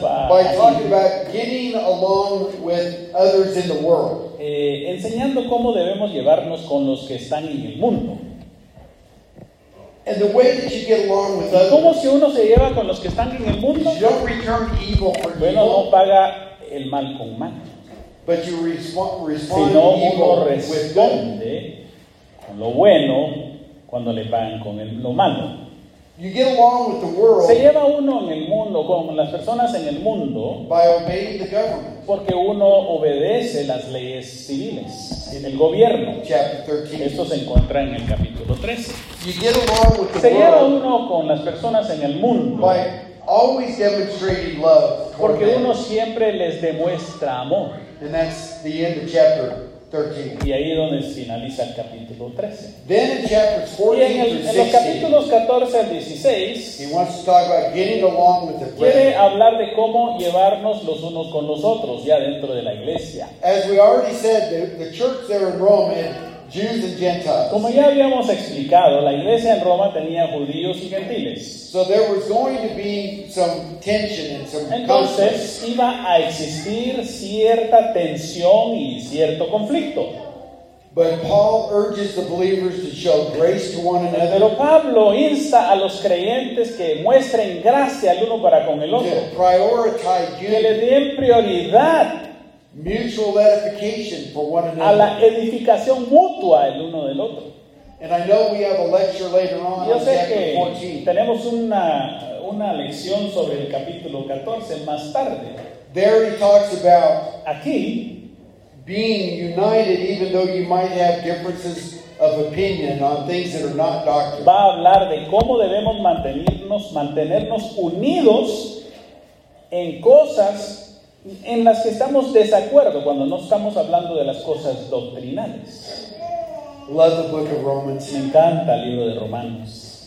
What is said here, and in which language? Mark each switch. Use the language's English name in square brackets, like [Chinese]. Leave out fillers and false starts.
[English] by talking about getting along with others in the world. [Spanish] Enseñando cómo debemos llevarnos con los que están en el mundo. [English] And the way that you get along with others. [Spanish] ¿Cómo si uno se lleva con los que están en el mundo? [English] You don't return evil for evil. [Spanish] Bueno, no paga el mal con mal. [English] But you respond [Spanish] sino uno responde con lo bueno cuando le pagan con lo malo. [English] You get along with the world. [Spanish] Se lleva uno en el mundo con las personas en el mundo. [English] By obeying the government. [Spanish] Porque uno obedece las leyes civiles, el gobierno. [English] Chapter 13. [Spanish] Esto se encuentra en el capítulo 13. [English] You get along with the [Spanish] se lleva uno con las personas en el mundo. [English] By always demonstrating love. [Spanish] Porque uno siempre les demuestra amor. [English] And that's the end of chapter 13. [Spanish] Y ahí es donde finaliza el capítulo 13. [English] Then in chapters 14 [Spanish] y en los capítulos 14 al 16, [English] he wants to talk about getting along with the [Spanish] quiere brethren. Hablar de cómo llevarnos los unos con los otros ya dentro de la iglesia. [English] As we already said, the church there in Rome had Jews and Gentiles. [Spanish] Como ya habíamos explicado, la iglesia en Roma tenía judíos y gentiles. [English] So there was going to be some tension and some [Spanish] entonces, [English] conflict. [Spanish] Iba a existir cierta tensión y cierto conflicto. [English] But Paul urges the believers to show grace to one another. [Spanish] Pero Pablo insta a los creyentes que muestren gracia el uno para con el otro. [English] To prioritize unity. [Spanish] Que le den prioridad. [English] Mutual edification for one another. [Spanish] A la edificación mutua el uno del otro. [English] And I know we have a lecture later on. [Spanish] Yo sé que 14. Tenemos una lección sobre el capítulo 14 más tarde. [English] There he talks about [Spanish] aquí [English] being united even though you might have differences of opinion on things that are not doctrine. [Spanish] Va a hablar de cómo debemos mantenernos unidos en cosas en las que estamos desacuerdo cuando no estamos hablando de las cosas doctrinales. [English] Love the book of Romans. [Spanish] Me encanta el libro de Romanos.